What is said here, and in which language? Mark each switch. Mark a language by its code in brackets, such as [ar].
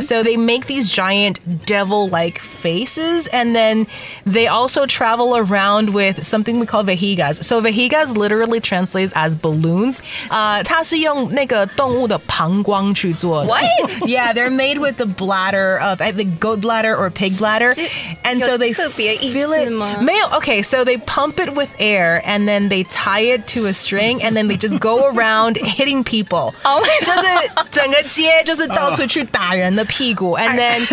[en] So they make these giant devil like faces, and then they also travel around with something we call vejigas. So vejigas literally translates as balloons. [zh] 它是用那个动物的膀胱去做的 [en] what? Yeah. They're made with the bladder of the goat bladder or pig bladder. And so they feel it. Okay, so they pump it with air and then they tie it to a string and then they just go around hitting people. Oh my god. And then